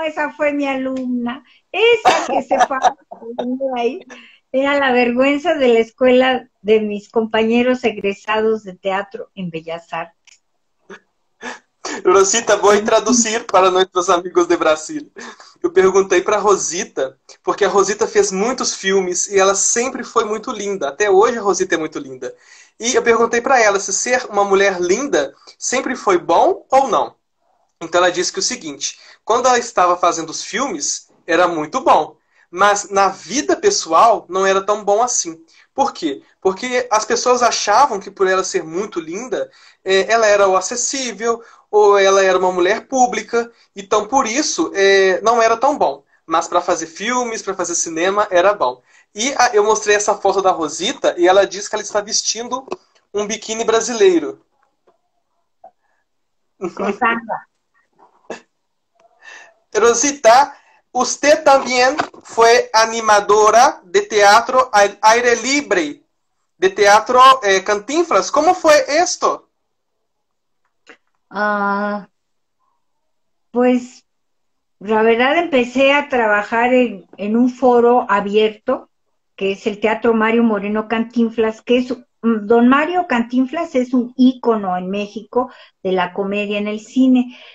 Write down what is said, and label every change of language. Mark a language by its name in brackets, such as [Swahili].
[Spanish] Esa fue mi alumna. Esa que se fue ahí. Era la vergüenza de la escuela de mis compañeros egresados de teatro en Bellas Artes. Rosita, voy a traducir para nuestros amigos de Brasil. [Portuguese] Eu perguntei para Rosita, porque a Rosita fez muitos filmes e ela sempre foi muito linda. Até hoje a Rosita é muito linda. E eu perguntei para ela se ser uma mulher linda sempre foi bom ou não. Então ela disse que o seguinte, quando ela estava fazendo os filmes, era muito bom. Mas na vida pessoal não era tão bom assim. Por quê? Porque as pessoas achavam que por ela ser muito linda, ela era o acessível, ou ela era uma mulher pública, então por isso não era tão bom. Mas para fazer filmes, para fazer cinema, era bom. E eu mostrei essa foto da Rosita e ela disse que ela está vestindo um biquíni brasileiro. Rosita, você também foi animadora de teatro aire libre, de teatro Cantinflas. Como foi isto? [Spanish] Pues la verdad empecé a trabajar en un foro abierto que es el Teatro Mario Moreno Cantinflas, que es Don Mario Cantinflas, es un ícono en México de la comedia en el cine.